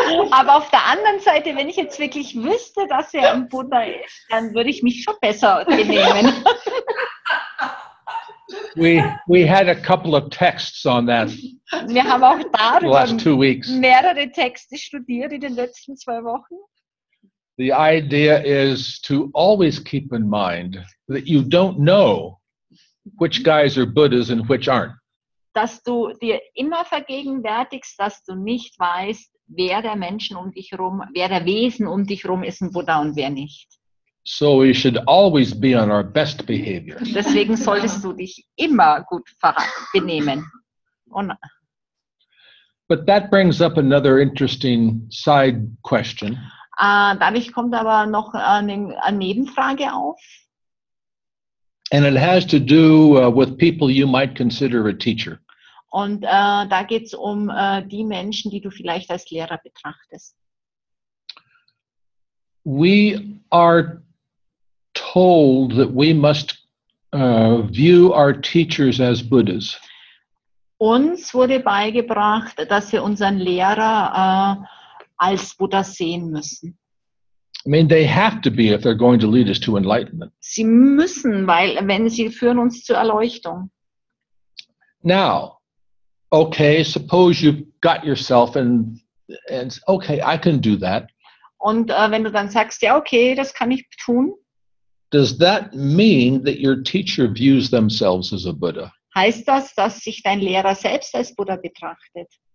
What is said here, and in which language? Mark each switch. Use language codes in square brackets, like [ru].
[de] Aber auf der anderen Seite, wenn ich jetzt wirklich wüsste, dass er ein Buddha ist, dann würde ich mich schon besser benehmen. [en] We had a couple of texts on that. [de] Wir haben auch darüber [en] last 2 weeks. [de] Mehrere Texte studiert in den letzten 2 Wochen. [en] The idea is to always keep in mind that you don't know which guys are Buddhas and which aren't. [de] Dass du dir immer vergegenwärtigst, dass du nicht weißt, wer der Wesen um dich herum ist ein Buddha und wer nicht. [en] So we should always be on our best behavior. [de] Deswegen solltest du dich immer gut benehmen. [en] But that brings up another interesting side question. [de] Dadurch kommt aber noch eine Nebenfrage auf. [en] And it has to do with people you might consider a teacher. [de] Und da geht es um die Menschen, die du vielleicht als Lehrer betrachtest. [en] We are told that we must view our teachers as Buddhas. [de] Uns wurde beigebracht, dass wir unseren Lehrer als Buddha sehen müssen. [en] I mean, they have to be if they're going to lead us to enlightenment. [de] Sie müssen, weil wenn sie führen uns zur Erleuchtung. [en] Now, okay, suppose you've got yourself and okay, I can do that. [de] Und wenn du dann sagst, ja, okay, das kann ich tun. [en] Does that mean that your teacher views themselves as a Buddha? [de] Heißt das, dass sich dein Lehrer selbst als Buddha betrachtet?